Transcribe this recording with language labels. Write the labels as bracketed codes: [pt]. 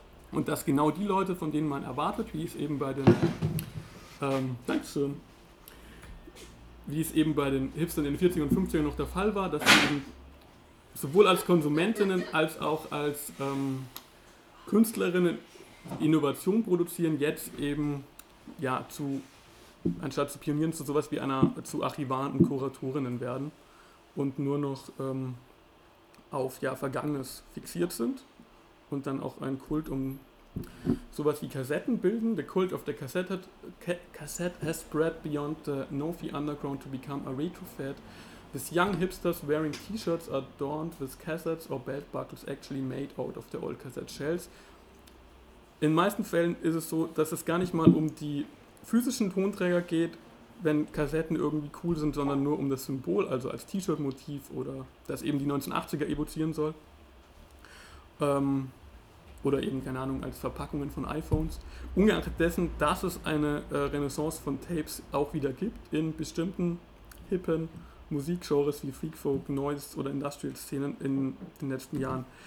[de] Und dass genau die Leute, von denen man erwartet, wie es eben bei den Hipstern in den 40ern und 50ern noch der Fall war, dass sie eben sowohl als Konsumentinnen als auch als Künstlerinnen Innovation produzieren, jetzt eben ja zu, anstatt zu Pionieren, zu sowas wie einer, zu Archivaren und Kuratorinnen werden und nur noch auf ja, Vergangenes fixiert sind. Und dann auch ein Kult um sowas wie Kassetten bilden. [en] The cult of the cassette has spread beyond the Nofi underground to become a retro fad, with young hipsters wearing t-shirts adorned with cassettes or belt buckles actually made out of the old cassette shells. [de] In meisten Fällen ist es so, dass es gar nicht mal um die physischen Tonträger geht, wenn Kassetten irgendwie cool sind, sondern nur um das Symbol, also als T-Shirt-Motiv oder das eben die 1980er evozieren soll. Oder eben, keine Ahnung, als Verpackungen von iPhones. Ungeachtet dessen, dass es eine Renaissance von Tapes auch wieder gibt in bestimmten hippen Musikgenres wie Freakfolk, Noise oder Industrial-Szenen in den letzten Jahren.